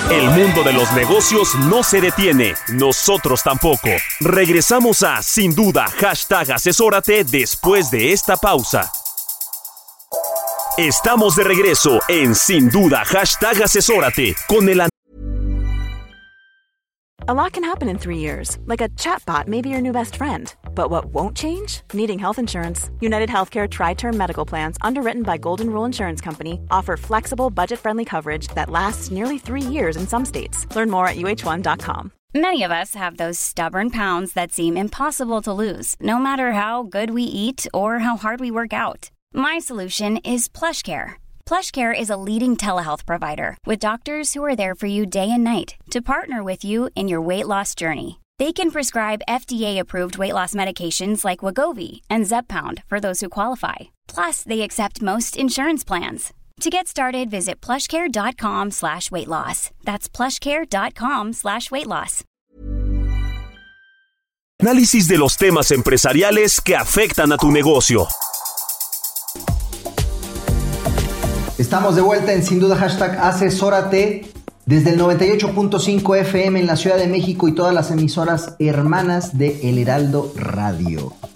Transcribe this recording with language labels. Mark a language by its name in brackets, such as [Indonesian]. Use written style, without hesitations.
[Spanish] mundo de los negocios no se detiene. Nosotros tampoco. Regresamos a Sin Duda, hashtag asesórate después de esta pausa. Estamos de regreso en Sin Duda, hashtag asesórate con el [English] A lot can happen in 3 years, like a chatbot may be your new best friend. But what won't change? Needing health insurance. UnitedHealthcare Tri-Term Medical Plans, underwritten by Golden Rule Insurance Company, offer flexible, budget-friendly coverage that lasts nearly 3 years in some states. Learn more at uh1.com. Many of us have those stubborn pounds that seem impossible to lose, no matter how good we eat or how hard we work out. My solution is PlushCare. PlushCare is a leading telehealth provider with doctors who are there for you day and night to partner with you in your weight loss journey. They can prescribe FDA-approved weight loss medications like Wegovy and Zepbound for those who qualify. Plus, they accept most insurance plans. To get started, visit plushcare.com/weightloss. That's plushcare.com/weightloss. [Spanish] Análisis de los temas empresariales que afectan a tu negocio. Estamos de vuelta en Sin Duda, hashtag asesórate, desde el 98.5 FM en la Ciudad de México y todas las emisoras hermanas de El Heraldo Radio.